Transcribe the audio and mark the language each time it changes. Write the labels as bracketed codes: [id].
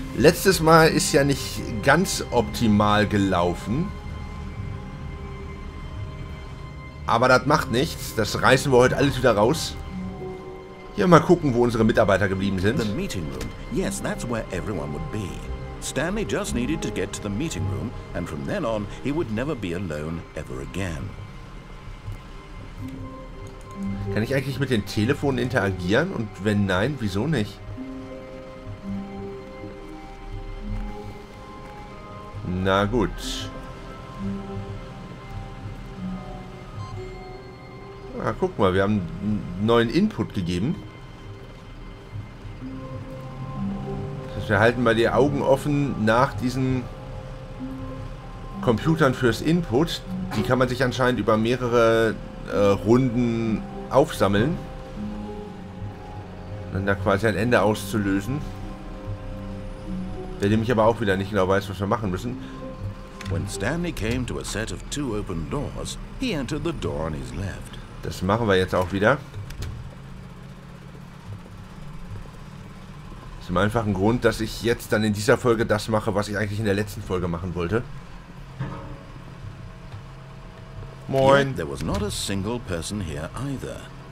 [de] Letztes Mal ist ja nicht ganz optimal gelaufen. Aber das macht nichts, das reißen wir heute alles wieder raus. Hier mal gucken, wo unsere Mitarbeiter geblieben sind. [en] The meeting room. Yes, that's where everyone would be. Stanley just needed to get to the meeting room and from then on he would never be alone ever again. [de] Kann ich eigentlich mit den Telefonen interagieren und wenn nein, wieso nicht? Na gut. Na, guck mal, wir haben einen neuen Input gegeben. Wir halten mal die Augen offen nach diesen Computern fürs Input. Die kann man sich anscheinend über mehrere Runden aufsammeln. Dann da quasi ein Ende auszulösen. Der nämlich aber auch wieder nicht genau weiß, was wir machen müssen. [en] When Stanley came to a set of two open doors, he entered the door on his left. [de] Das machen wir jetzt auch wieder. Aus dem einfachen Grund, dass ich jetzt dann in dieser Folge das mache, was ich eigentlich in der letzten Folge machen wollte. Moin. [en] There was not a single person here either.